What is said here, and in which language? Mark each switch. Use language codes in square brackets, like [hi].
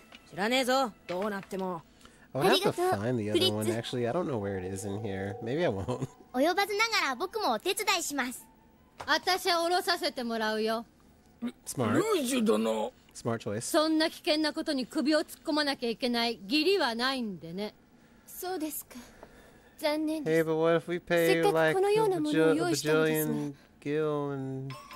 [ja] 知らねえぞ、どうなっても。 [en] I would have to find the other one, actually. I don't know where it is in here. Maybe I won't. [ja] お呼ばずながら僕もお手伝いします。あたしは降ろさせてもらうよ。 [en] Smart. [ja] ルージュ殿。 [en] Smart choice. [ja] そんな危険なことに首を突っ込まなきゃいけない義理はないんでね。そうですか。残念です。 [en] Hey, but what if we pay you like a bajillion gil and...